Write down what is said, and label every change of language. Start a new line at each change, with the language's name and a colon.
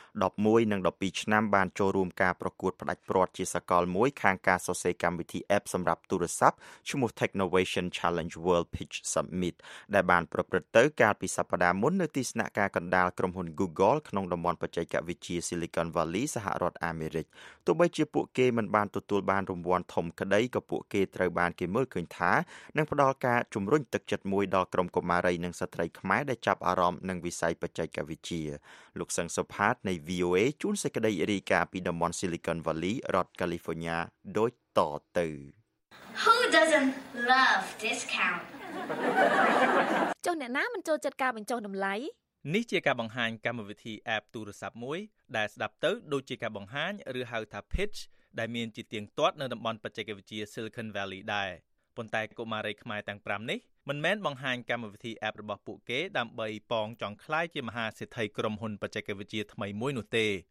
Khmer: 11និង12ឆ្នាំបានចូលរួមការប្រកួតផ្ដាច់ព្រ័ត្រជាសកលមួយខាងការសរសេរកម្មវិធី App សម្រាប់ទូរស័ព្ទឈ្មោះ Technovation Challenge World Pitch Summit ដែលបានប្រព្រឹត្តទៅកាលពីសប្ដាហ៍មុននៅទីស្នាក់ការកណ្ដាលក្រុមហ៊ុន Google ក្នុងតំបន់បច្ចេកវិទ្យា Silicon Valley សហរដ្ឋអាមេរិកទោះបីជាពួកគេមិនបានទទួលបានរង្វាន់ធំក្តីក៏ពួកគេត្រូវបានគេមើលឃើញថា នឹងផ្ដល់ការជំរុញទឹកចិត្តមួយដល់ក្រុមកុមារីនិងស្ត្រីខ្មែរដែលចាប់អារម្មណ៍នឹងវិស័យបច្ចេកវិទ្យាលោកសឹងសុផាតនៃ VOA ជួនសេចក្តីរាយការណ៍ពីតំបន់ Silicon Valley រដ្ឋ California ដូចតទៅ
English: Who doesn't love discount?
Khmer: ចុះអ្នកណាមិនចូលចិត្តការបញ្ចុះតម្លៃ នេះជាការបង្ហាញកម្មវិធី App ទូរស័ព្ទមួយដែលស្ដាប់ទៅដូចជាការបង្ហាញឬហៅថា Pitch ដែលមានជាទៀងទាត់នៅតំបន់បច្ចេកវិទ្យា Silicon Valley ដែរប៉ុន្តែកុមារីខ្មែរទាំង5នេះមិនមែនបង្ហាញកម្មវិធី App របស់ពួកគេដើម្បីប៉ងចង់ខ្លាយជាមហាសេដ្ឋីក្រុមហ៊ុនបច្ចេកវិទ្យាថ្មីមួយនោះទេ